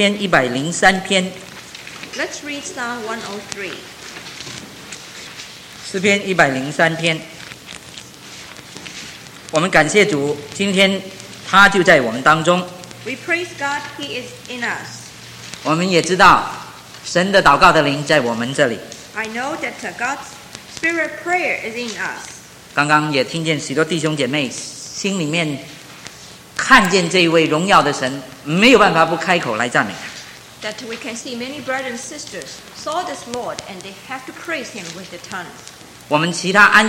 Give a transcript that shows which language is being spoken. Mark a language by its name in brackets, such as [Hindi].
[Chinese] 我们一起来看一处的圣经，在诗篇103篇。 [English] Let's read Psalm 103。 [Chinese] 诗篇103篇，我们感谢主，今天他就在我们当中。 [English] We praise God, He is in us. [Chinese] 我们也知道，神的祷告的灵在我们这里。 [English] I know that God's Spirit prayer is in us. [Chinese] 刚刚也听见许多弟兄姐妹心里面。看见这位荣耀的神，没有办法不开口来赞美。 [English] That we can see many brothers and sisters saw this Lord, and they have to praise Him with the tongue.